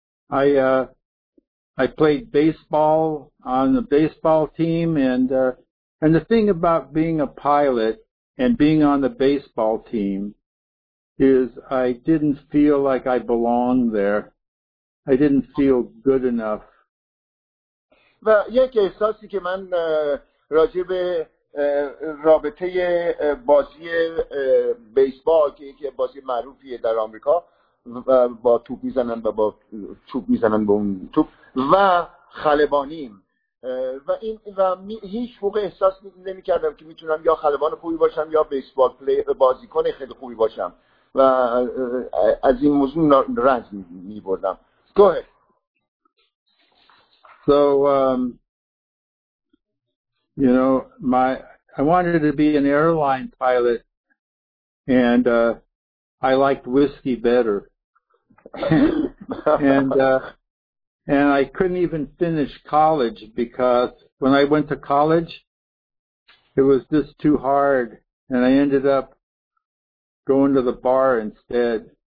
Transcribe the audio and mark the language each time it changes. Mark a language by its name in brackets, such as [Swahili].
[English] I played baseball on the baseball team and the thing about being a pilot and being on the baseball team is I didn't feel like I belonged there. I didn't feel good enough. [Persian] و یک احساسی که من راجب رابطه بازی بیسبال که یکی بازی معروفیه در آمریکا، با توپ میزنن و با چوب میزنن به اون توپ و خلبانیم و این و هیچ موقع احساس نمی‌کردم که میتونم یا خلبان خوبی باشم یا بیسبال پلیر بازیکن خیلی خوبی باشم و از این موضوع رنج می‌بردم. [English] Go ahead. So, you know, I wanted to be an airline pilot, and I liked whiskey better. And I couldn't even finish college because when I went to college, it was just too hard, and I ended up going to the bar instead.